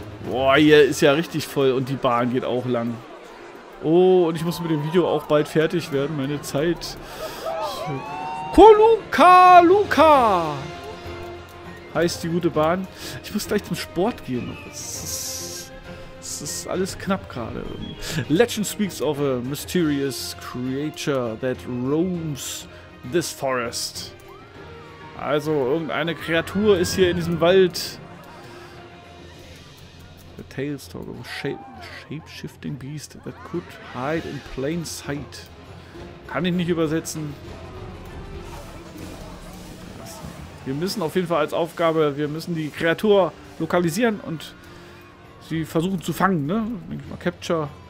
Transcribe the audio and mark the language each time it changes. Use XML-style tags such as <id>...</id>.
<de>Boah, hier ist ja richtig voll und die Bahn geht auch lang. Oh, und ich muss mit dem Video auch bald fertig werden. Meine Zeit. Koluka Luka! Heißt die gute Bahn. Ich muss gleich zum Sport gehen. Das ist alles knapp gerade.</de> <en>Legend speaks of a mysterious creature that roams this forest.</en> <de>Also, irgendeine Kreatur ist hier in diesem Wald.</de> <en>The tales talk of a shape-shifting beast that could hide in plain sight.</en> <de>Kann ich nicht übersetzen. Wir müssen auf jeden Fall als Aufgabe, wir müssen die Kreatur lokalisieren und sie versuchen zu fangen, ne? Denke ich mal, Capture.</de>